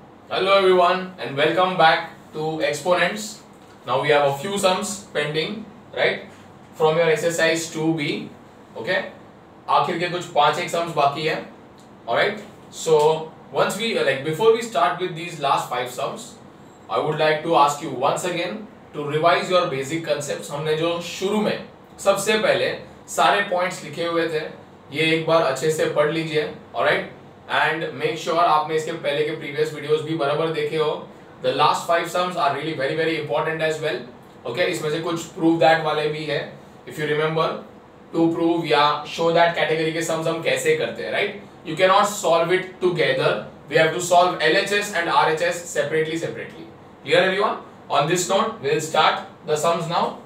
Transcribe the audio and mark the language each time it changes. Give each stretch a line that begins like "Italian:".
English: Hello everyone and welcome back to Exponents. Now we have a few sums pending, right? From your exercise 2B, okay?
Hindi: आखिर के कुछ पांच एक sums बाकी हैं, alright?
English: So once we like before we start with these last five sums, I would like to ask you once again to revise your basic concepts.
Hindi: हमने जो शुरू में सबसे पहले सारे points लिखे हुए थे, ये एक बार अच्छे से पढ़ लीजिए, alright?
English: And make sure
Hindi: आपने इसके पहले के previous videos भी बराबर देखे हो.
English: The last five sums are really very very important as well.
Hindi: Okay, इसमें से कुछ prove that वाले भी हैं.
English: If you remember to prove या show that category के sums
Hindi: हम कैसे करते हैं,
English: right? You cannot solve it together. We have to solve LHS and RHS separately. Clear everyone? On this note, we'll start the sums now.